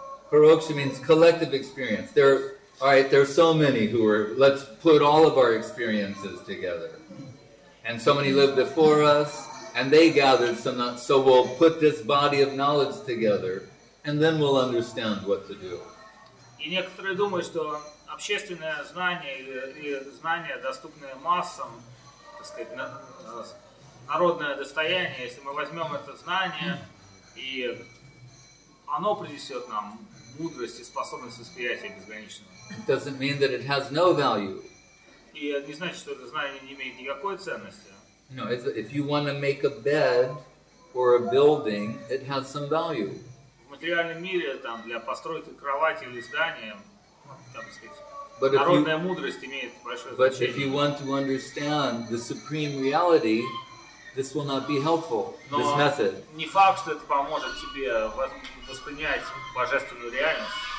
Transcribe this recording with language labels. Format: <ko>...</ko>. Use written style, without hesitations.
<en>Paroksha means collective experience. Alright, there's so many who were, let's put all of our experiences together. And so many lived before us, and they gathered some, so we'll put this body of knowledge together, and then we'll understand what to do.</en> <ru>И некоторые думают, что общественное знание или знание, доступное массам, так сказать, народное достояние, если мы возьмем это знание, и оно принесет нам мудрость и способность восприятия безграничного.</ru> <en>It doesn't mean that it has no value.</en> <ru>И не значит, что это знание не имеет никакой ценности.</ru> <en>No, if you want to make a bed or a building, it has some value.</en> <ru>В материальном мире там для постройки кровати или здания, там, так сказать, народная мудрость имеет большое значение.</ru> <en>But if you want to understand the supreme reality, this will not be helpful. This method.</en> <ru>Не факт, что это поможет тебе воспринять божественную реальность.</ru>